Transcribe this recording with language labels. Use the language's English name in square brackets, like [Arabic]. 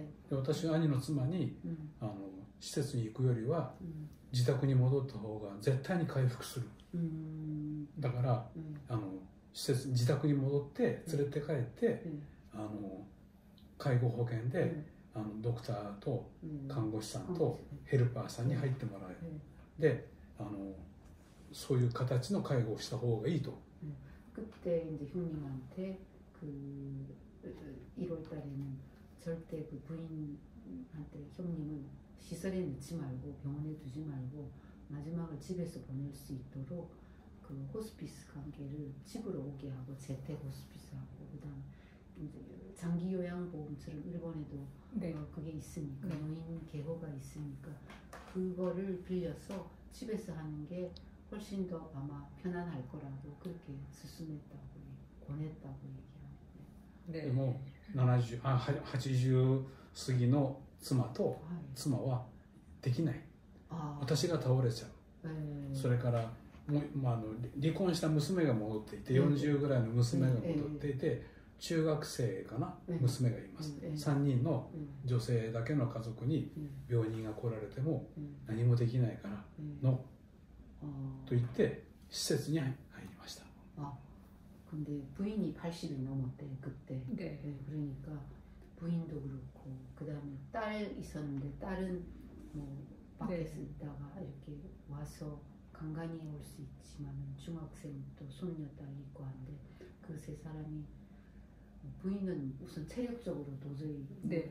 [Japanese] 요私は兄の妻に施設に行くよりは自宅に戻った方が絶対に回復するだから施設自宅に戻って連れて帰って介護保険でドクターと看護師さんとヘルパーさんに入ってもらえるでそういう形の介護をした方がいいと [Korean] 그때 이제 형님한테 그 1월 달에는 절대 그 부인한테 형님을 시설에 넣지 말고 병원에 두지 말고 마지막을 집에서 보낼 수 있도록 그 호스피스 관계를 집으로 오게 하고 재택 호스피스하고 그다음 이제 장기 요양보험처럼 일본에도 네. 그게 있으니까 노인 개호가 있으니까 그거를 빌려서 집에서 하는 게 훨씬 더 아마 편안할 거라고 그렇게 수순했다고 권했다고 얘기합니다. [Japanese] 네. 뭐 70, 아, 80 過ぎの 妻と 妻は できない 私が 倒れちゃう それから まあ、あの 離婚した 娘が 戻っていて 40 ぐらいの 娘が 戻っていて 中学生かな 娘がいます 3人の 女性だけの 家族に 病人が 来られても 何もできないから の と言って 施設に 入りました。 [Korean] 근데 부인이 80이 넘었대 그때. 네. 네, 그러니까 부인도 그렇고 그다음에 딸 있었는데 딸은 뭐 밖에서 네. 있다가 이렇게 와서 간간히 올 수 있지만 중학생 또 손녀딸 있고 한데 그 세 사람이 부인은 우선 체력적으로 도저히 네.